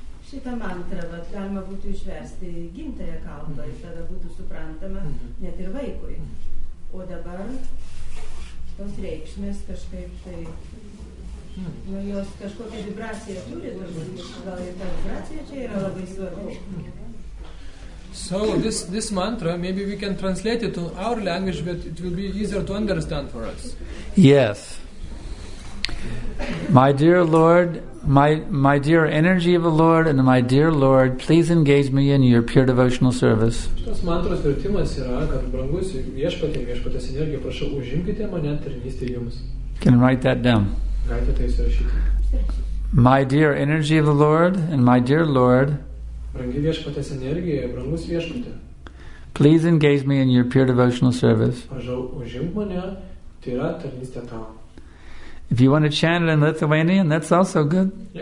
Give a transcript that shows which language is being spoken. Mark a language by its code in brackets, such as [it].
[lt] Šitą mantrą vat, galima būtų išversti gimtąją kalbą ir tada būtų suprantama net ir vaikui. O dabar tos reikšmės kažkaip tai nu, jos kažkokia vibracija turi, gal ir ta vibracija čia yra labai svarbu. [en] So this mantra, maybe we can translate it to our language, but it will be easier to understand for us. Yes. My dear Lord, my dear energy of the Lord, and my dear Lord, please engage me in your pure devotional service. [lt] Šitas mantras vertimas yra, kad brangus viešpatė, viešpatės energija, prašau, užimkite mane tarnystė jums. [en] Can write that down. [lt] Galite tai surašyti. [en] My dear energy of the Lord, and my dear Lord, please engage me in your pure devotional service. If you want to chant it in Lithuanian, that's also good.